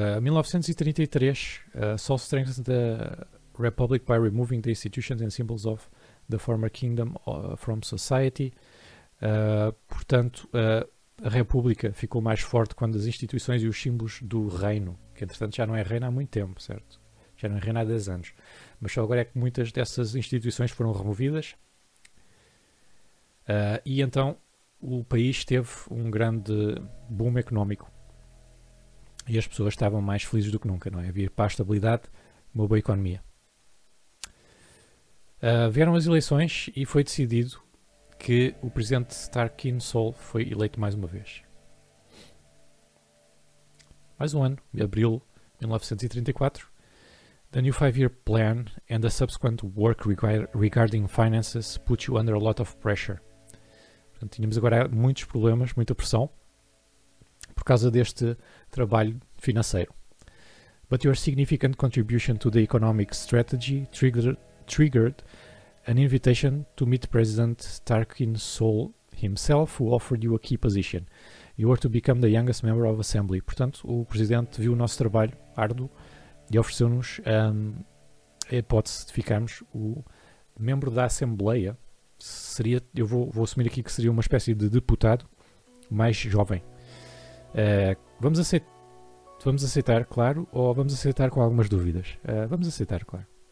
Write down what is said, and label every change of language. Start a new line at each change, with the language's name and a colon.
Portuguese: Em 1933,
English: Sol strengthened the Republic by removing the institutions and symbols of the former kingdom from society.
Portuguese: A República ficou mais forte quando as instituições e os símbolos do reino, que entretanto já não é reino há muito tempo, certo? Já não é reino há 10 anos. Mas só agora é que muitas dessas instituições foram removidas. E então o país teve um grande boom económico. E as pessoas estavam mais felizes do que nunca, não é? Havia paz, estabilidade, uma boa economia. Vieram as eleições e foi decidido que o presidente Tarkin Sol foi eleito mais uma vez. Mais um ano, em abril de 1934,
English: the new five-year plan and the subsequent work regarding finances put you under a lot of pressure.
Portuguese: Portanto, tínhamos agora muitos problemas, muita pressão, por causa deste trabalho financeiro.
English: But your significant contribution to the economic strategy triggered an invitation to meet President Tarkin Sol himself, who offered you a key position. You were to become the youngest member of Assembly.
Portuguese: Portanto, o Presidente viu o nosso trabalho árduo e ofereceu-nos a hipótese de ficarmos o membro da Assembleia. Seria, eu vou assumir aqui que seria uma espécie de deputado mais jovem. Vamos aceitar, claro, ou vamos aceitar com algumas dúvidas? Vamos aceitar, claro.